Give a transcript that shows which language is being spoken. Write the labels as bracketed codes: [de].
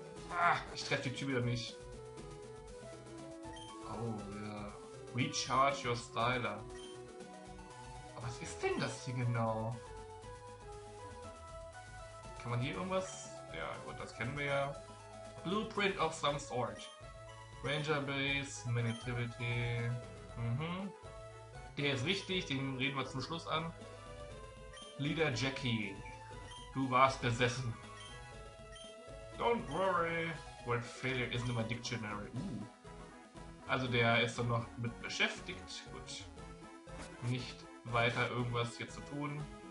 [de] Ah, ich treffe die Tür wieder nicht. Oh, ja. [en] Recharge your Styler. [de] Aber was ist denn das hier genau? Kann man hier irgendwas? Ja, gut, das kennen wir ja. [en] Blueprint of some sort. [de] Ranger Base, Manitivity. Mhm. Der ist richtig, den reden wir zum Schluss an. Leader Jackie. Du warst besessen. [en] Don't worry. Word failure isn't in my dictionary. [de] Also der ist dann noch mit beschäftigt. Gut. Nicht weiter irgendwas hier zu tun.